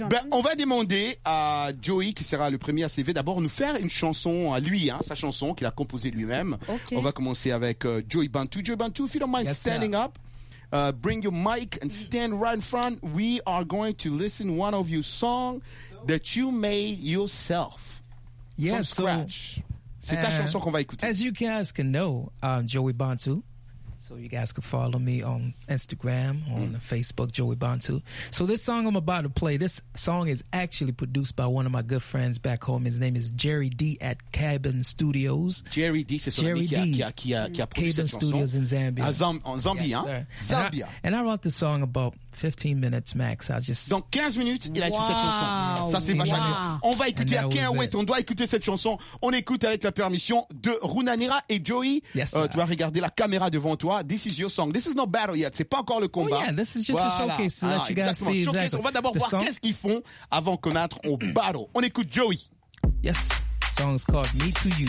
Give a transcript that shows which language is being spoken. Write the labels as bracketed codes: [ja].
[fr] On va demander à Joey, qui sera le premier à se lever, d'abord nous faire une chanson à lui, hein, sa chanson qu'il a composée lui-même. [en] Okay. [fr] On va commencer avec Joey Bantu. [en] Joey Bantu, if you don't mind standing up. Bring your mic and stand right in front. We are going to listen to one of your songs that you made yourself. Yes, from scratch. So, [fr] c'est ta chanson qu'on va écouter. [en] As you guys can know, I'm Joey Bantu. So you guys can follow me on Instagram, on Facebook, Joey Bantu. So this song I'm about to play, this song is actually produced by one of my good friends back home. His name is Jerry D at Cabin Studios. [fr] Jerry D, c'est son ami qui a produit cette [en] chanson. Studios in Zambia. [fr] En Zambie, [en] yes, [fr] hein? Zambia. [en] And I wrote the song about 15 minutes max. I just... [fr] Donc 15 minutes, il a écrit cette chanson. Ça, c'est vachement bien. On va écouter, on doit écouter cette chanson. On écoute avec la permission de Runa Nera et Joey. [en] Yes, [fr] tu vas regarder la caméra devant toi. [en] This is your song. This is no battle yet. [fr] C'est pas encore le combat. [en] Oh, yeah, this is just a showcase. So let you guys see exactly. [fr] On va d'abord voir qu'est-ce qu'ils font avant qu'on entre au battle. On écoute Joey. [en] Yes, the song is called Me to You.